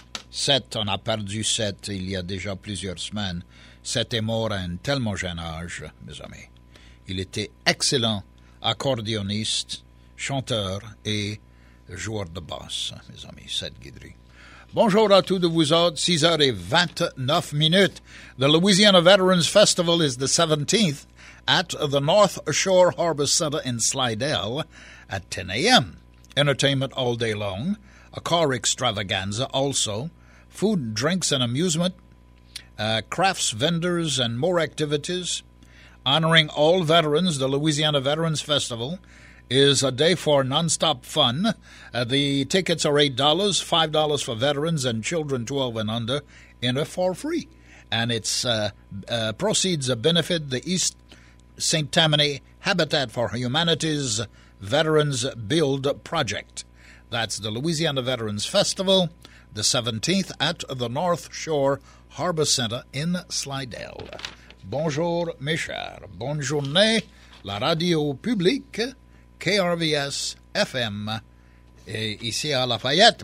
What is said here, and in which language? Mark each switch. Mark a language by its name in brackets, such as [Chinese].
[French] Seth, on a perdu Seth il y a déjà plusieurs semaines. Seth est mort à un tellement jeune âge, mes amis. Il était excellent accordéoniste, chanteur et joueur de basse, mes amis, Seth Guidry. Bonjour à tous de vous autres, 6h29 minutes. [English] The Louisiana Veterans Festival is the 17th at the North Shore Harbor Center in Slidell at 10 a.m. Entertainment all day long, a car extravaganza also, food, drinks and amusement, crafts, vendors and more activities. Honoring all veterans, the Louisiana Veterans Festival is a day for nonstop fun. The tickets are $8, $5 for veterans and children 12 and under, enter for free. And its proceeds benefit the East St. Tammany Habitat for Humanity's Veterans Build Project. That's the Louisiana Veterans Festival, the 17th at the North Shore Harbor Center in Slidell. [French] Bonjour, mes chers. Bonne journée. La radio publique, KRVS FM, et ici à Lafayette.